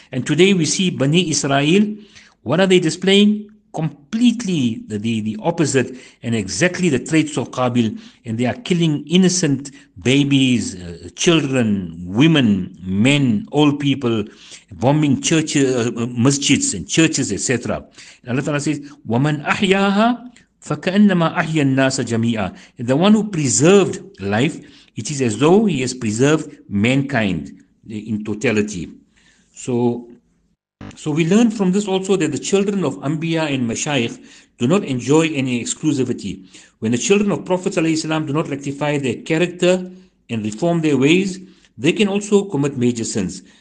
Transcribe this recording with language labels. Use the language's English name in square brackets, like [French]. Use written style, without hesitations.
[English] And today we see Bani Israel, what are they displaying? Completely the opposite and exactly the traits of Qabil. And they are killing innocent babies, children, women, men, old people, bombing churches, masjids and churches, etc. And Allah Ta'ala says, [Arabic] وَمَنْ أَحْيَاهَا فَكَأَنَّمَا أَحْيَا النَّاسَ جَمِيعًا. [English] The one who preserved life, it is as though he has preserved mankind in totality. So we learn from this also that the children of Anbiya and Mashaykh do not enjoy any exclusivity. When the children of Prophet ﷺ do not rectify their character and reform their ways, they can also commit major sins.